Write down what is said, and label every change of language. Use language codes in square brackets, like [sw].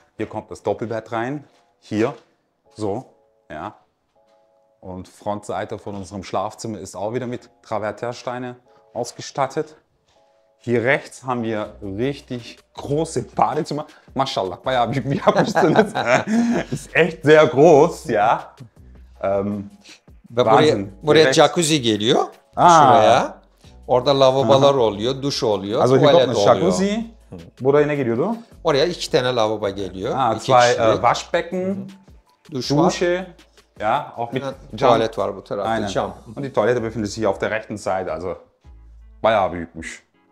[de] Hier kommt das Doppelbett rein. Hier. So. Ja. Und Frontseite von unserem Schlafzimmer ist auch wieder mit Travertersteine ausgestattet. Hier rechts haben wir richtig große Badezimmer. Mashallah, das ist echt sehr groß. Ja. [tr] Ve buraya jacuzzi geliyor. Şuraya. Orada lavabolar oluyor, duş oluyor, tuvalet oluyor. Buraya ne geliyordu? Oraya iki tane lavabo geliyor. [de] Zwei Waschbecken, Dusche. Ja, auch mit [tr] Tuvalet var bu tarafta. Aynen. Cam. [de] Und die Toilette befindet sich auf der rechten Seite, also [tr] bayağı büyükmüş.